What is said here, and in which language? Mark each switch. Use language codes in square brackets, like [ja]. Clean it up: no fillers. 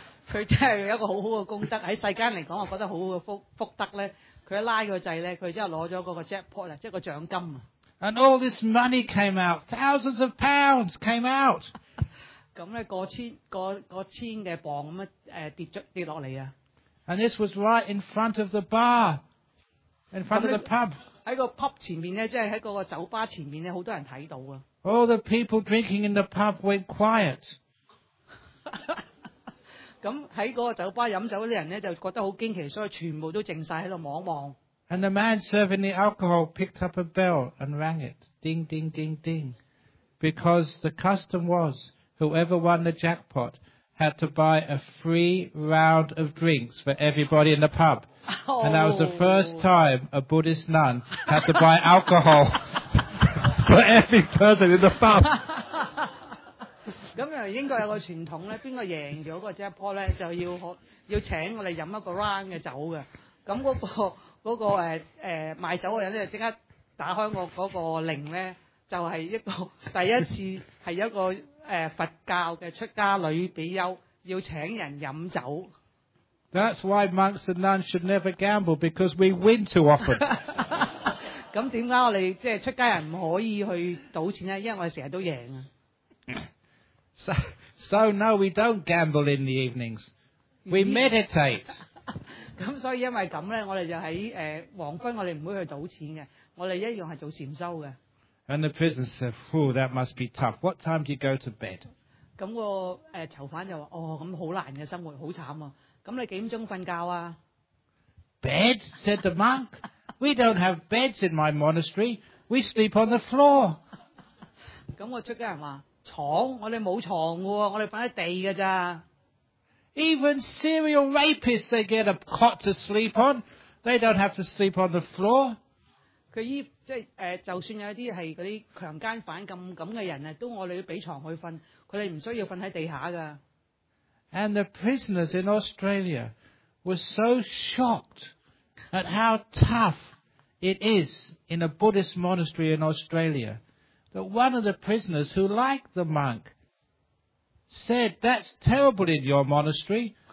[yue] 佢真係有一個好好嘅功德，喺世間嚟講，我覺得好好嘅福德咧。佢一拉個掣咧，佢真係攞咗嗰個 jackpot 啊，即係個獎金啊。 [en] And all this money came out, thousands of pounds came out. [yue] 咁咧，過千嘅磅咁樣跌落嚟啊。 [en] And this was right in front of the bar, in front of the pub. [yue] 在個 pub 前面咧，即係喺嗰個酒吧前面咧，好多人睇到啊。 [en] All the people drinking in the pub went quiet. [yue] 咁喺嗰個酒吧飲酒嗰啲人咧，就覺得好驚奇，所以全部都靜曬喺度望一望。 [en] And the man serving the alcohol picked up a bell and rang it, ding ding ding ding, because the custom was whoever won the jackpot had to buy a free round of drinks for everybody in the pub. Oh. And that was the first time a Buddhist nun had to buy alcohol for every person in the pub. [yue] 咁原來英國有個傳統咧，邊個贏咗個 jackpot 咧，就要請我哋飲一個 round 嘅酒嘅。咁嗰個賣酒嘅人咧，就即刻打開我嗰個鈴咧，就係一個第一次係一個佛教嘅出家女比丘要請人飲酒。 [en] That's why monks and nuns should never gamble because we win too often. [yue] 咁點解我哋即係出家人唔可以去賭錢咧？因為我成日都贏啊。 [en] So no, we don't gamble in the evenings. We meditate. [yue] 咁所以因為咁咧，我哋就喺黃昏，我哋唔會去賭錢嘅。我哋一樣係做禪修嘅。 [en] And the prisoner said, "Phew, that must be tough. What time do you go to bed?" [yue] 咁個囚犯就話：哦，咁好難嘅生活，好慘啊！咁你幾點鐘瞓覺啊 [en] ？Bed, said the monk. We don't have beds in my monastery. We sleep on the floor. [yue] 咁我出家人話：牀，我哋冇牀喎，我哋瞓喺地㗎咋。 [en] Even serial rapists, they get a cot to sleep on. They don't have to sleep on the floor. [yue] 佢依即係就算有啲係嗰啲強姦犯咁嘅人啊，都我哋要俾牀佢瞓，佢哋唔需要瞓喺地下㗎。 [en] And the prisoners in Australia were so shocked at how tough it is in a Buddhist monastery in Australia that one of the prisoners who liked the monk said, "That's terrible in your monastery.